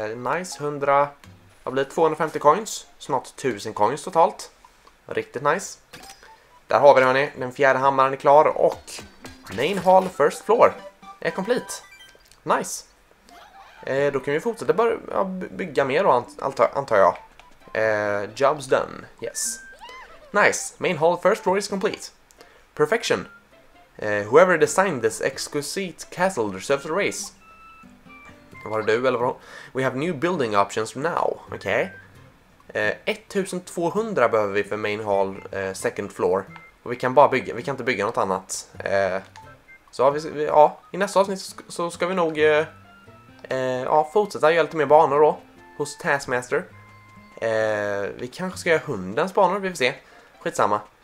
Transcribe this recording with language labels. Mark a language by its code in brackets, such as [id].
[sv] Nice, 100... Det blir 250 coins. Snart 1000 coins totalt. Riktigt nice. Där har vi det, hörni. Den fjärde hammaren är klar. Och main hall first floor är complete. Nice. Då kan vi fortsätta börja bygga mer då, antar jag. [en] Jobs done, yes. Nice, main hall first floor is complete. Perfection. Whoever designed this exquisite castle deserves a raise. [sv] Var det du eller vadå? [en] We have new building options now, okay. [sv] 1200 behöver vi för main hall second floor. Och vi kan inte bygga något annat. Så i nästa avsnitt så ska vi nog... fortsätta göra lite mer banor då hos Taskmaster. Vi kanske ska göra hundens banor, vi får se. Skitsamma.